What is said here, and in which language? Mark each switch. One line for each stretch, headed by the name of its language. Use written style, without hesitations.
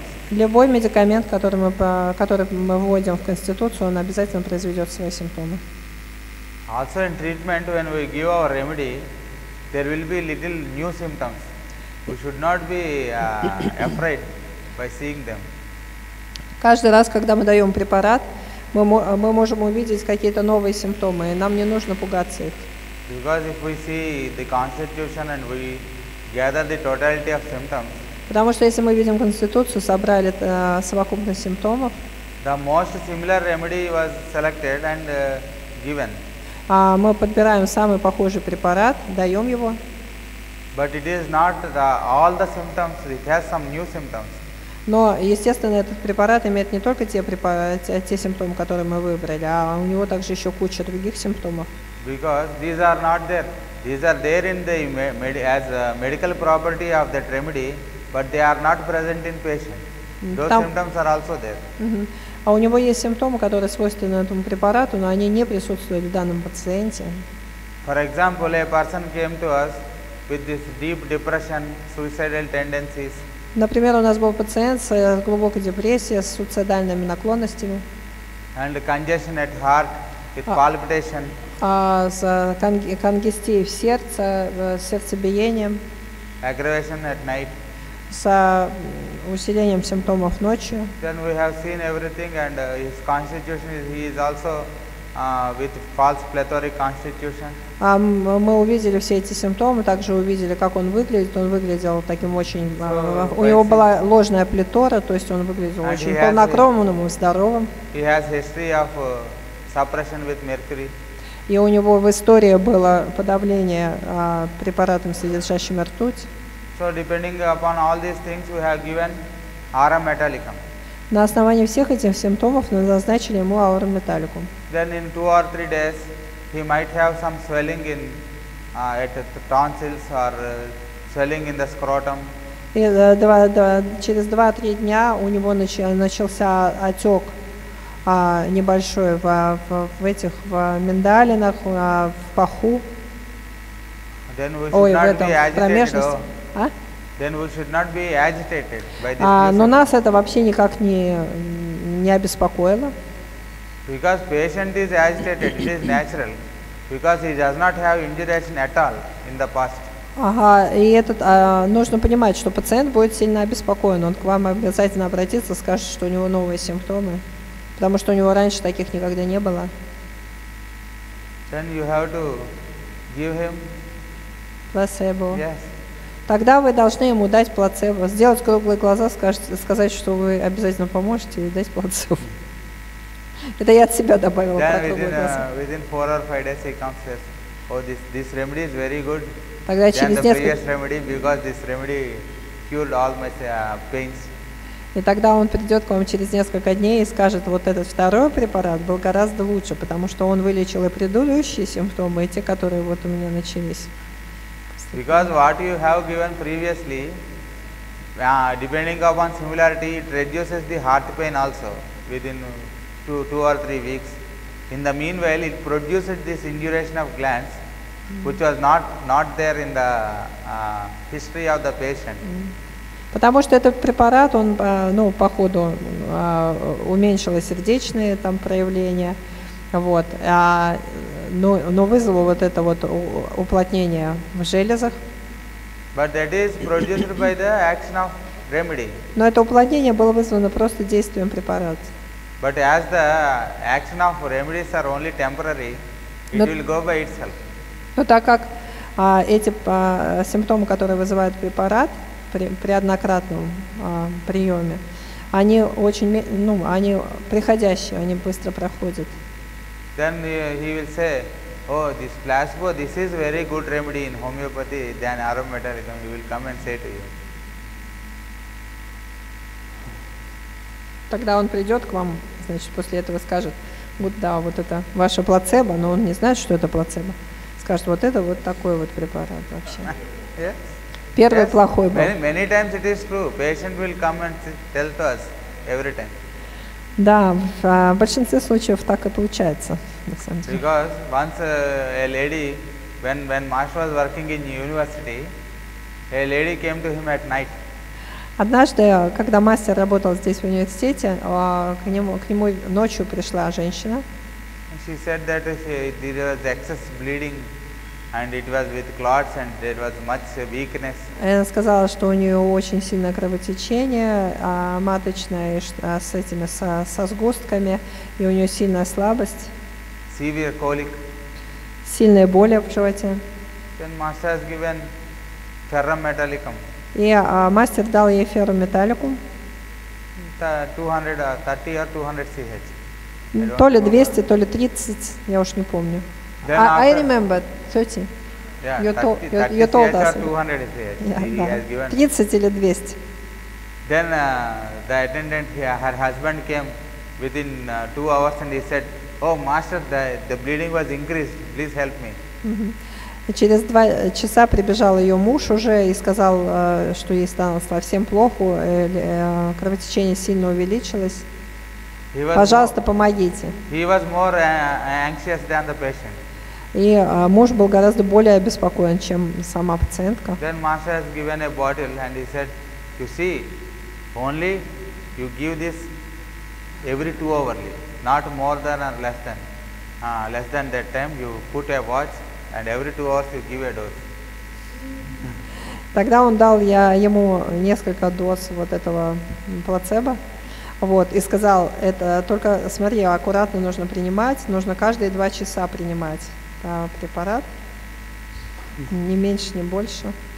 Russian: Любой медикамент, который мы вводим в конституцию, он обязательно произведет свои симптомы.
English: Also in treatment, when we give our remedy, there will be little new symptoms. We should not be afraid by seeing them.
Russian: Каждый раз, когда мы даем препарат, мы можем увидеть какие-то новые симптомы, и нам не нужно пугаться их.
English: Because if we see the constitution and we gather the totality of symptoms,
Russian: потому что если мы видим конституцию, собрали совокупность симптомов,
English: the most similar remedy was selected and given.
Russian: Мы подбираем самый похожий препарат, даем его.
English: But it is not all the symptoms, it has some new symptoms.
Russian: Но, естественно, этот препарат имеет не только те симптомы, которые мы выбрали, а у него также еще куча других симптомов.
English: Because these are not there. These are there in the as a medical property of that remedy, but they are not present in patient. Those symptoms are also there.
Russian: А у него есть симптомы, которые свойственны этому препарату, но они не присутствуют в данном пациенте.
English: For example, a person came to us with this deep depression, suicidal tendencies.
Russian: Например, у нас был пациент с глубокой депрессией, с суицидальными наклонностями.
English: And congestion at heart with palpitation.
Russian: С конгестией в сердце, сердцебиением.
English: Aggravation at night.
Russian: С усилением симптомов ночью.
English: Then we have seen everything and his constitution is, he is also with false plethoric constitution.
Russian: Мы увидели все эти симптомы, также увидели, как он выглядит. Он выглядел таким очень... У него была ложная плетора, то есть он выглядел очень полнокровным и здоровым.
English: He has history of suppression with mercury.
Russian: И у него в истории было подавление препаратом, содержащим ртуть.
English: So, depending upon all these things, we have given aurum metallicum.
Russian: На основании всех этих симптомов мы назначили ему aurum metallicum.
English: Then in 2 or 3 days, he might have some swelling in at tonsils or swelling in the scrotum.
Russian: И через 2-3 дня у него начался отек небольшой в этих в миндалинах, в паху.
English: Then we should not be agitated. Then we should not be agitated by this.
Russian: Но нас это вообще никак не обеспокоило.
English: Because patient is agitated, it is natural. Because he does not have indigestion at all in the past.
Russian: Ага, и этот нужно понимать, что пациент будет сильно обеспокоен. Он к вам обязательно обратится, скажет, что у него новые симптомы, потому что у него раньше таких никогда не было.
English: Then you have to give him placebo. Yes.
Russian: Тогда вы должны ему дать плацебо, сделать круглые глаза, сказать, что вы обязательно поможете и дать плацебо. Это я от себя добавила.
English: Then within 4 or 5 days he comes and says, oh, this remedy is very good.
Russian: Тогда через
English: the previous remedy, because this remedy cured all my pains.
Russian: И тогда он придет к вам через несколько дней и скажет, вот этот второй препарат был гораздо лучше, потому что он вылечил и предыдущие симптомы, и те, которые вот у меня начались.
English: Because what you have given previously, depending upon similarity, it reduces the heart pain also within 2 or 3 weeks. In the meanwhile, it produces this induration of glands, which was not there in the history of the patient.
Russian: Потому что этот препарат, он, ну, по ходу уменьшило сердечные там проявления, вот, но вызвало вот это вот уплотнение в железах.
English: But that is produced by the action of remedy.
Russian: Но это уплотнение было вызвано просто действием препарата.
English: But as the action of remedies are only temporary, it will go by itself.
Russian: Но так как эти симптомы, которые вызывают препарат, при однократном приеме, они очень, ну, они приходящие, они быстро проходят.
English: Then he will say, oh, this placebo, this is very good remedy in homeopathy than aurum metallicum. He will come and say to you.
Russian: Тогда он придет к вам, значит, после этого скажет, вот да, вот это ваше плацебо, но он не знает, что это плацебо. Скажет, вот это вот такой вот препарат вообще. Первый плохой был.
English: Many times it is true. Patient will come and tell to us every time.
Russian: Да, в большинстве случаев так и получается.
English: Because once a lady, when Marsh was working in university, a lady came to him at night.
Russian: Однажды, когда мастер работал здесь в университете, к нему ночью пришла женщина.
English: She said that there was excess bleeding, and it was with clots, and there was much weakness.
Russian: Она сказала, что у нее очень сильное кровотечение маточное с этими со сгустками, и у нее сильная слабость.
English: Severe colic.
Russian: Сильные боли в животе.
English: Then master has given ferrum metallicum.
Russian: И мастер дал ей феррометалликум.
English: 230 or 200 CH.
Russian: То ли 200, то ли 30, я уж не помню.
English: I remember 30. Yeah, you told us. 30
Russian: или 200.
English: Then the attendant, her husband came within 2 hours and he said, oh master, the bleeding was increased, please help me.
Russian: И через 2 часа прибежал ее муж уже и сказал, что ей стало совсем плохо, кровотечение сильно увеличилось. Пожалуйста, помогите.
English: He was more anxious than the patient.
Russian: И муж был гораздо более обеспокоен, чем сама пациентка.
English: Then master has given a bottle and he said, you see, only you give this every 2 hourly, not more than or less than that time. You put a watch. And every 2 hours you give a dose.
Russian: Тогда он дал ему несколько доз вот этого плацебо, вот, и сказал, это только смотри, аккуратно нужно принимать, нужно каждые 2 часа принимать препарат, не меньше, не больше.